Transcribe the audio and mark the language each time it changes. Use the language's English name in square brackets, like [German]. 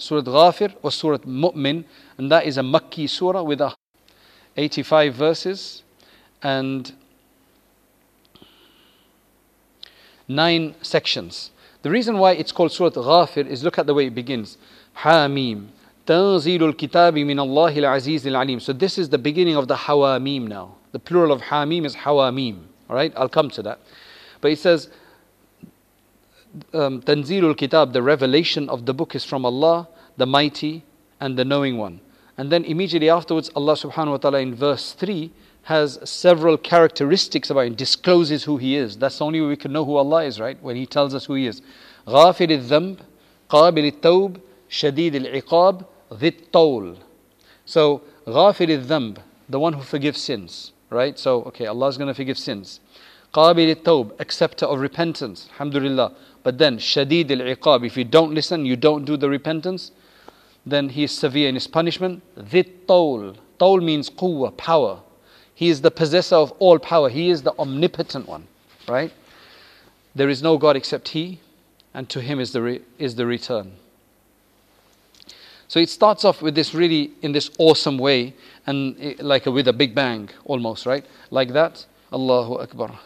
[English] Surah Ghafir or Surah Mu'min, and that is a Makki surah with 85 verses and 9 sections. The reason why it's called Surah Ghafir is, look at the way it begins. Hamim. [Arabic] تنزيل الكتاب من الله العزيز العليم. [English] So this is the beginning of the Hawameem now. The plural of Hamim is Hawameem. Alright, I'll come to that. But it says, [Arabic] تنزيل الكتاب, [English] the revelation of the book is from Allah, the Mighty and the Knowing One. And then immediately afterwards, Allah subhanahu wa ta'ala in verse 3 has several characteristics about him, discloses who he is. That's the only way we can know who Allah is, right? When he tells us who he is. [Arabic] غافر الذنب قابل التوب شديد العقاب ذي الطول. [English] So, [Arabic] غافر الذنب, [English] the one who forgives sins, right? So, okay, Allah is going to forgive sins. [Arabic] قابل التوب, [English] acceptor of repentance, alhamdulillah. But then, [Arabic] شديد العقاب, [English] if you don't listen, you don't do the repentance, then he is severe in his punishment. [Arabic] ذي الطول, طول [English] means [Arabic] قوة, [English] power. He is the possessor of all power. He is the omnipotent one, right? There is no God except He, and to Him is the return. So it starts off with this really, in this awesome way, and with a big bang, almost, right? Like that. Allahu Akbar.